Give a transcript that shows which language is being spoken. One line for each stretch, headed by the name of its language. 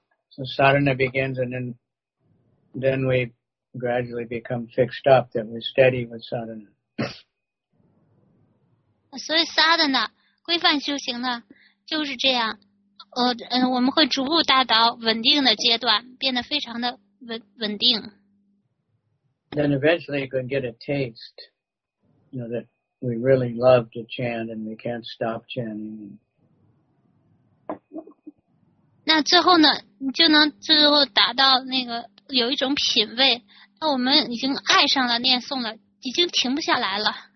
English: So sadhana begins, and then we gradually become fixed up, that we're steady with sadhana.
Chinese: 所以 sadhana, 规范修行呢,就是这样, 我们会逐步达到稳定的阶段,变得非常的 稳定。
English: Then eventually you can get a taste, you know, that we really love to chant and we can't stop chanting.
Chinese: 那最后呢, 你就能最后达到那个有一种品味, 我们已经爱上了念诵了, 已经停不下来了。